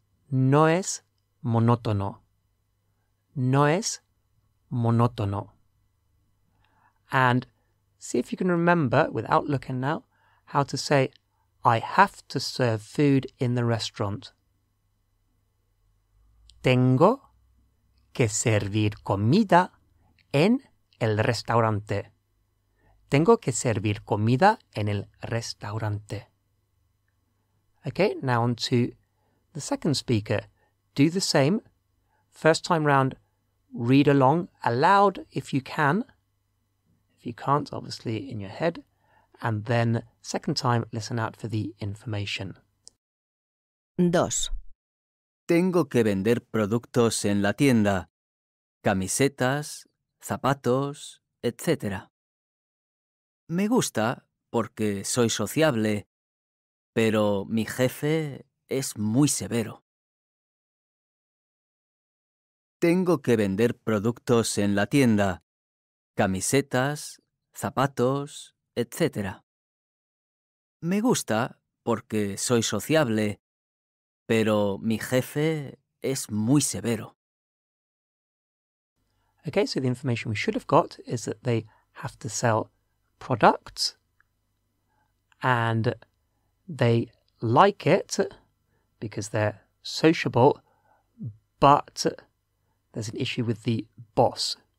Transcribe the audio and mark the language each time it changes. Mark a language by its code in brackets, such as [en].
[es] No es monótono. No es monótono. [en] And see if you can remember, without looking now, how to say, I have to serve food in the restaurant. [es] Tengo que servir comida en el restaurante. Tengo que servir comida en el restaurante. [en] Okay, now on to the second speaker. Do the same. First time round, read along aloud if you can. If you can't, obviously in your head. And then second time, listen out for the information. [es] Dos. Tengo que vender productos en la tienda. Camisetas, zapatos, etc. Me gusta porque soy sociable, pero mi jefe es muy severo. Tengo que vender productos en la tienda. Camisetas, zapatos, etc. Me gusta porque soy sociable, pero mi jefe es muy severo. [en] Okay, so the information we should have got is that they have to sell products and they like it because they're sociable, but there's an issue with the boss.